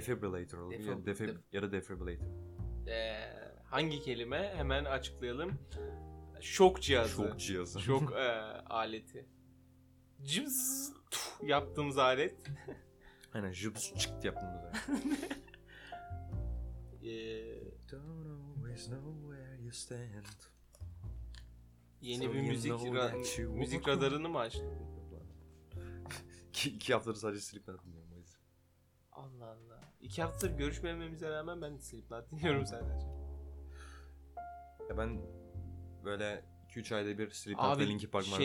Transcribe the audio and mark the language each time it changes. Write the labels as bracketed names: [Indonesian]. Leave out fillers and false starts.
[Turkish] Defibrillator olabilir ya, ya da defibrillator. Hangi kelime? Hemen açıklayalım. Şok cihazı. Şok aleti. Cıbz yaptığımız alet. Aynen cıbz çıktı yaptığımız alet. [English] Don't always know where you stand. [Turkish] Yeni so bir müzik müzik radarını mı açtın? İki haftadır sadece Slipknot dinliyorum. Allah Allah. İki haftadır görüşmememize rağmen ben Slipknot dinliyorum sadece. Ya ben böyle 2-3 ayda bir Slipknot ve Linkin Park maratonu